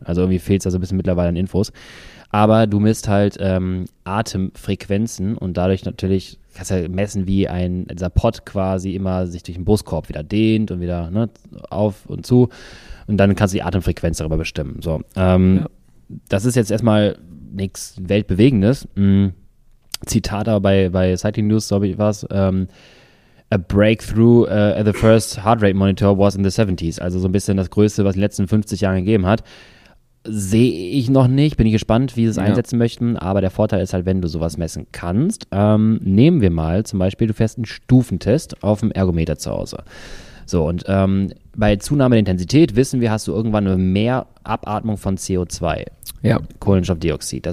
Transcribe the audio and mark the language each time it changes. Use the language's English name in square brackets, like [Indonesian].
[German] Also irgendwie fehlt es da so ein bisschen mittlerweile an Infos. Aber du misst halt Atemfrequenzen und dadurch natürlich kannst du ja messen, wie ein dieser Pott quasi immer sich durch den Brustkorb wieder dehnt und wieder auf und zu. Und dann kannst du die Atemfrequenz darüber bestimmen. So, das ist jetzt erstmal nichts Weltbewegendes. Zitat aber bei Cycling News, glaube ich, war es. [English] A breakthrough at the first heart rate monitor was in the 70s. [German] Also so ein bisschen das Größte, was in den letzten 50 Jahren gegeben hat. Sehe ich noch nicht, bin ich gespannt, wie sie es einsetzen möchten, aber der Vorteil ist halt, wenn du sowas messen kannst, nehmen wir mal zum Beispiel, du fährst einen Stufentest auf dem Ergometer zu Hause. So, und bei Zunahme der Intensität wissen wir, hast du irgendwann eine mehr Abatmung von CO2, Kohlenstoffdioxid.